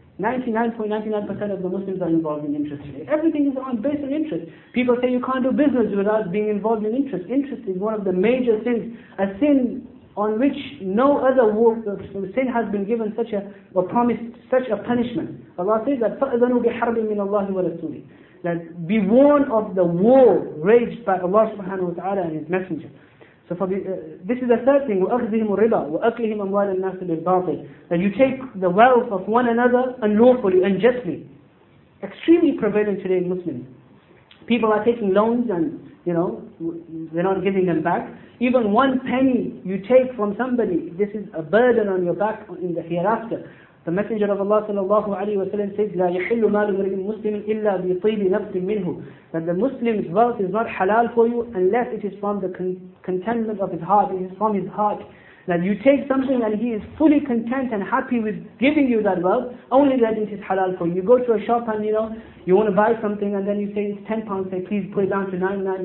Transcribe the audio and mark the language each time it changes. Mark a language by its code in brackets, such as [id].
[en] 99.99% of the Muslims are involved in interest today. Everything is on based on interest. People say you can't do business without being involved in interest. Interest is one of the major sins, a sin on which no other sin has been given such a, or promised such a punishment. Allah says that [ar] فَأَذَنُوا بِحَرْبٍ مِّنَ اللَّهِ وَرَسُولِهِ. [en] That be warned of the war raged by Allah subhanahu wa ta'ala and His Messenger. So this is the third thing, [ar] وَأَخْذِهِمُ الرِّبَى وَأَكْلِهِمْ أَمْوَالَ النَّاسِ بِالْبَاطِلِ. [en] That you take the wealth of one another unlawfully, unjustly. Extremely prevalent today in Muslims. People are taking loans and, you know, they're not giving them back. Even one penny you take from somebody, this is a burden on your back in the hereafter. The Messenger of Allah sallallahu alaihi wasallam says, [ar] لَا يَحِلُّ مَالُ مَرِئٍ مُسْلِمٍ إِلَّا بِطِيبِ نَفْسٍ مِّنْهُ. [en] That the Muslim's wealth is not halal for you unless it is from the contentment of his heart, it is from his heart. That you take something and he is fully content and happy with giving you that wealth, only that it is halal for you. You go to a shop and you know, you want to buy something and then you say it's £10, say please put it down to 99.